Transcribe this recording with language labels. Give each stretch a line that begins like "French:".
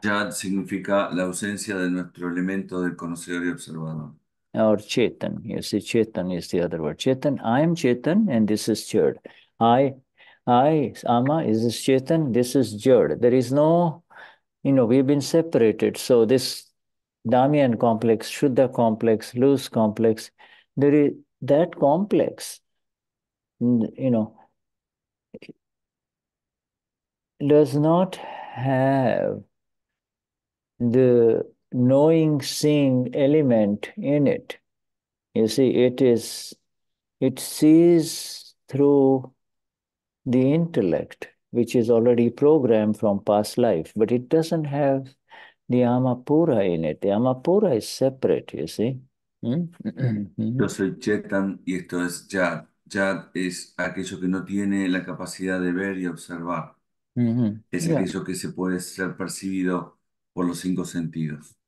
Spanish: Jad significa la ausencia de nuestro elemento del conocedor y observador.
English: Or chetan. You see, chetan is the other word. Chetan, I am chetan and this is jad. I ama is this chetan, this is jad. There is no, you know, we've been separated. So this Damian complex, Shuddha complex, loose complex, there is that complex, you know, does not have the knowing, seeing element in it. You see, it sees through the intellect, which is already programmed from past life, but it doesn't have the Amapura in it. The Amapura is separate, you see.
Spanish: Yo soy Chetan y esto es Jad. Jad es aquello que no tiene la capacidad de ver y observar. Es aquello que se puede ser percibido por los cinco sentidos.